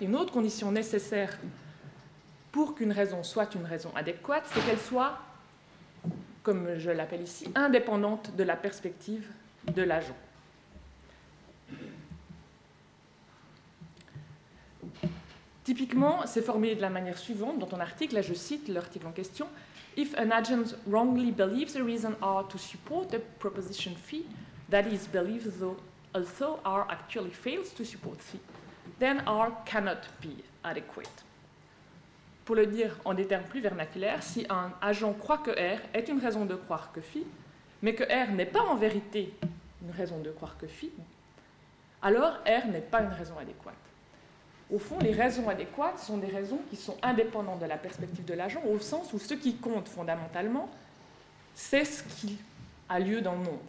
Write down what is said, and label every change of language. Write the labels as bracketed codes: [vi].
[fr] Une autre condition nécessaire pour qu'une raison soit une raison adéquate, c'est qu'elle soit, comme je l'appelle ici, indépendante de la perspective de l'agent. Typiquement, c'est formulé de la manière suivante dans ton article, là je cite l'article en question. [en] If an agent wrongly believes a reason R to support a proposition phi, that is, believes though also R actually fails to support phi, then R cannot be adequate. [fr] Pour le dire en des termes plus vernaculaires, si un agent croit que R est une raison de croire que phi, mais que R n'est pas en vérité une raison de croire que phi, alors R n'est pas une raison adéquate. au fond, les raisons adéquates sont des raisons qui sont indépendantes de la perspective de l'agent, au sens où ce qui compte fondamentalement, c'est ce qui a lieu dans le monde.